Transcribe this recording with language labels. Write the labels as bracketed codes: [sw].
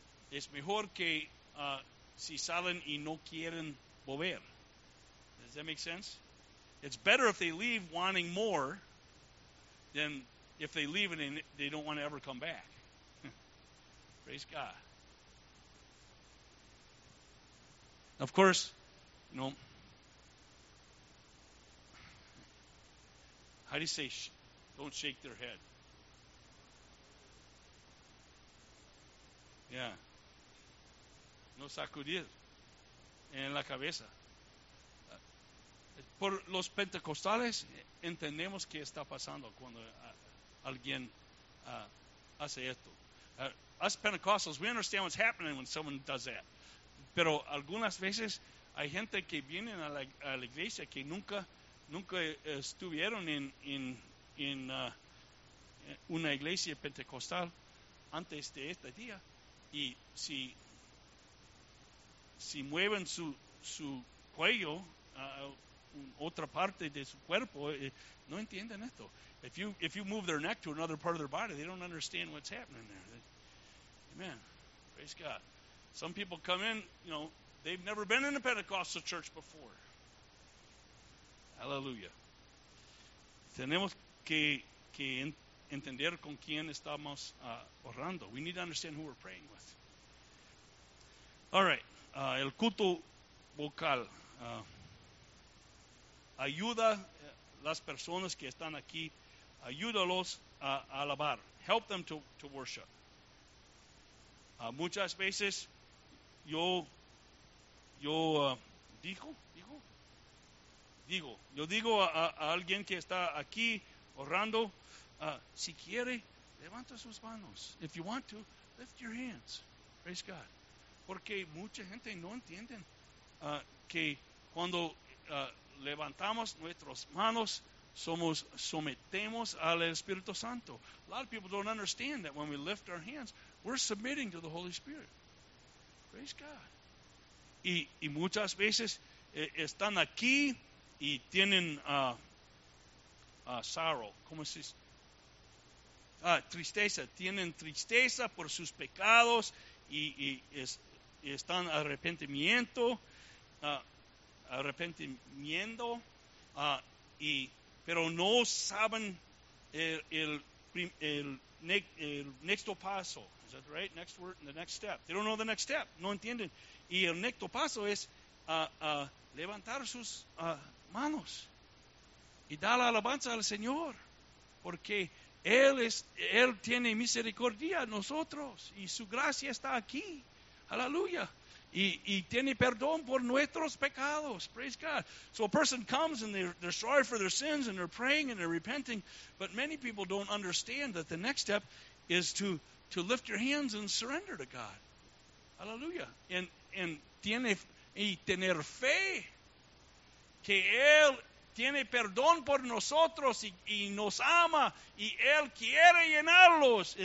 [es] Es mejor que si salen y no quieren volver. [en] Does that make sense? It's better if they leave wanting more than if they leave and they don't want to ever come back. Praise God. Of course, you know, how do you say, don't shake their head? [es] Yeah. No sacudir en la cabeza. Por los pentecostales, entendemos qué está pasando cuando alguien hace esto. [en] Us Pentecostals, we understand what's happening when someone does that. [es] Pero algunas veces hay gente que viene a la iglesia que nunca estuvieron en una iglesia pentecostal antes de este día. Y si mueven su cuello a otra parte de su cuerpo, no entienden esto. [en] If you move their neck to another part of their body, they don't understand what's happening there. Amen. Praise God. Some people come in, you know, they've never been in a Pentecostal church before. Hallelujah. [es] Tenemos que entender con quién estamos orando. [en] We need to understand who we're praying with. All right. [es] El culto vocal ayuda las personas que están aquí, ayúdalos a alabar. [en] Help them to worship. [es] Muchas veces yo digo a alguien que está aquí orando, si quiere, levanta sus manos. [en] If you want to, lift your hands. Praise God. [es] Porque mucha gente no entiende que cuando levantamos nuestras manos, sometemos al Espíritu Santo. [en] A lot of people don't understand that when we lift our hands, we're submitting to the Holy Spirit. Praise God. [es] Y muchas veces están aquí y tienen sorrow. ¿Cómo se dice? Tristeza. Tienen tristeza por sus pecados y están arrepentimiento, pero no saben el next paso. [en] Is that right? Next word, the next step. They don't know the next step. [es] No entienden. Y el next paso es levantar sus manos y dar alabanza al Señor, porque Él tiene misericordia a nosotros y su gracia está aquí. Aleluya. Y tiene perdón por nuestros pecados. [en] Praise God. So a person comes and they're sorry for their sins and they're praying and they're repenting. But many people don't understand that the next step is to lift your hands and surrender to God. [es] Aleluya. And tiene y tener fe que Él tiene perdón por nosotros y nos ama y Él quiere llenarlos.